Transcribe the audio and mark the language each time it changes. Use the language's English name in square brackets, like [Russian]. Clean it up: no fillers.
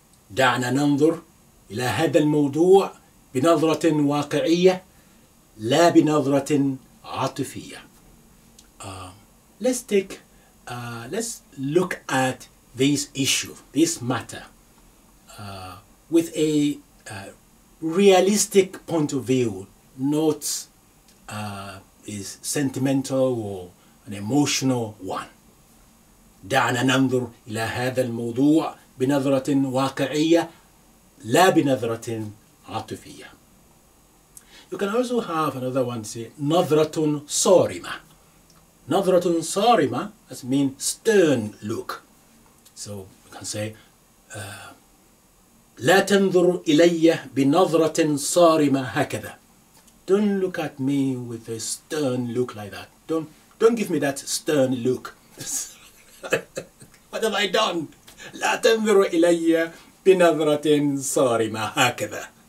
[Arabic] دعنا ننظر إلى هذا الموضوع بنظرة واقعية لا بنظرة عاطفية. [English] Let's look at this issue, this matter, with a realistic point of view, not is sentimental or an emotional one. [Arabic] دعنا ننظر إلى هذا الموضوع بنظرة واقعية لا بنظرة عاطفية. [English] You can also have another one, say [Arabic] نظرة صارمة. نظرة صارمة, [English] that means stern look. So you can say [Arabic] لا تنظر إلي بنظرة صارمة هكذا. [English] Don't look at me with a stern look like that. Don't give me that stern look. What have I done? [Arabic] لا تنظر إلي بنظرة صارمة هكذا.